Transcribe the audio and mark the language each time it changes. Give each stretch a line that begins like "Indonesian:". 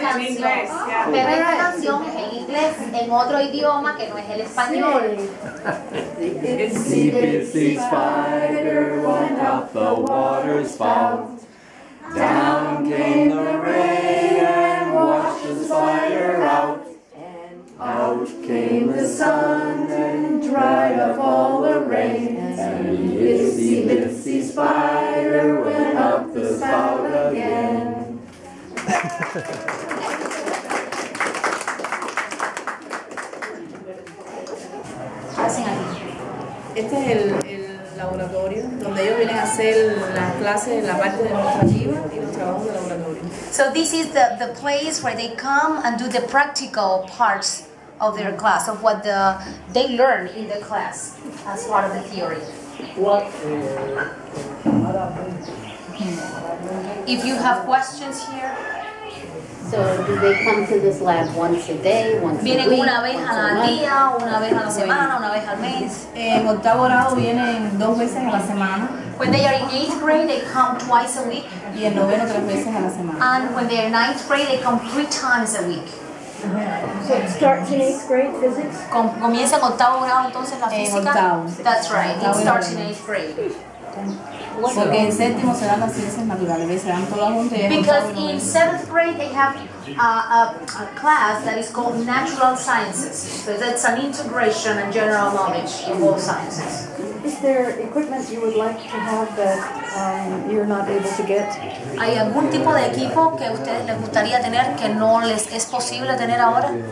Spanish: Pero esta canción es en inglés, en otro idioma que no es el español.
English: Itsy bitsy spider went up the water spout. Down came the rain and washed the spider out. Out came the sun and dried up all the rain. And the itsy bitsy spider went up the spout again.
Spanish: Este es el laboratorio donde ellos vienen a hacer las clases en la parte demostrativa y los trabajos de laboratorio.
English: So this is the place where they come and do the practical parts of their class, of what they learn in the class as part of the theory. What? If you have questions here. So do they come to this lab once a day, once
Spanish: vienen
English: a week?
Spanish: Una vez al día, una vez a la semana, una vez al mes. En octavo grado vienen dos veces a la semana.
English: When they are in eighth grade, they come twice a week.
Spanish: Y en noveno tres veces a la semana.
English: And when they are in ninth grade, they come three times a week. So it starts in 8th grade physics?
Spanish: Comienza en octavo grado entonces la física? En octavo.
English: That's right, it starts in 8th grade.
Spanish: Porque en séptimo se dan las ciencias naturales, se dan todas juntas.
English: Because in 7th grade they have a class that is called natural sciences. So that's an integration and general knowledge in all sciences. Is there equipment you would like to have that you're not able to get?
Spanish: ¿Hay algún tipo de equipo que ustedes les gustaría tener que no les es posible tener ahora?